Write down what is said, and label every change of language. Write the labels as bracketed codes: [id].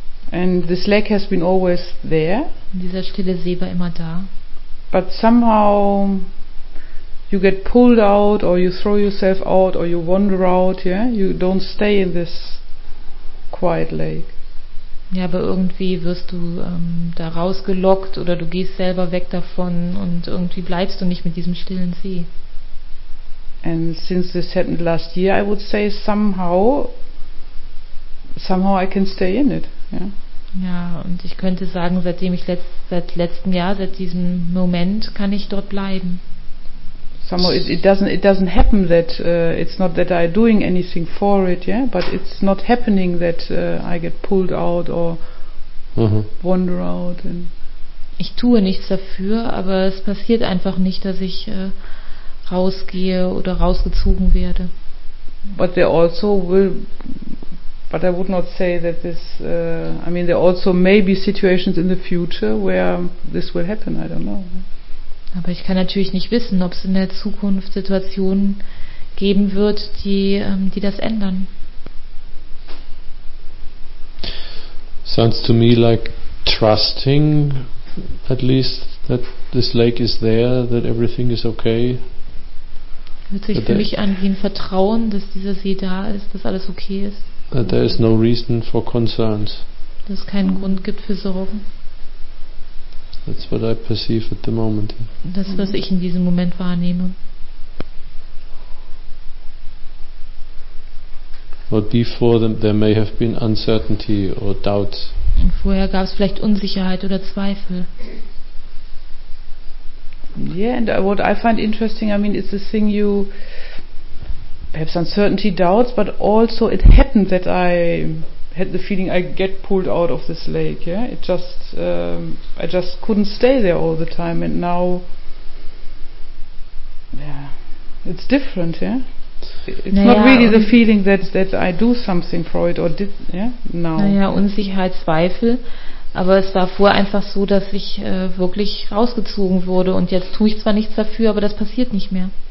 [en] And this lake has been always there. [de] Und dieser stille See war immer da. [en] But somehow you get pulled out or you throw yourself out or you wander out, yeah? You don't stay in this quiet lake. [de] Ja, aber irgendwie wirst du da rausgelockt oder du gehst selber weg davon und irgendwie bleibst du nicht mit diesem stillen See. [en] And since this happened last year, I would say somehow I can stay in it. Yeah. [de] Ja, und ich könnte sagen, seit diesem Moment kann ich dort bleiben. [en] Somehow it doesn't happen that it's not that I'm doing anything for it, yeah, but it's not happening that I get pulled out or wander out. And [de] ich tue nichts dafür, aber es passiert einfach nicht, dass ich rausgehe oder rausgezogen werde. [en] But there also will, but I would not say that this. I mean, there also may be situations in the future where this will happen. I don't know. [de] Aber ich kann natürlich nicht wissen, ob es in der Zukunft Situationen geben wird, die das ändern. [en] Sounds to me like trusting, at least that this lake is there, that everything is okay. [de] Hört sich für mich an wie ein Vertrauen, dass dieser See da ist, dass alles okay ist. [en] That there is no reason for concerns. [de] Dass es keinen Grund gibt für Sorgen. [en] That's what I perceive at the moment. [de] Das, was ich in diesem Moment wahrnehme. [en] But before them, there may have been uncertainty or doubts. [de] Und vorher gab es vielleicht Unsicherheit oder Zweifel. [en] Yeah, and what I find interesting, I mean, it's the thing you perhaps uncertainty, doubts, but also it happened that I had the feeling I get pulled out of this lake. Yeah, it just I just couldn't stay there all the time, and now yeah, it's different. Yeah, it's [de] naja, [en] not really the feeling that I do something for it or did. Yeah, now. [de] Naja, Unsicherheit, Zweifel. Aber es war vorher einfach so, dass ich wirklich rausgezogen wurde und jetzt tue ich zwar nichts dafür, aber das passiert nicht mehr.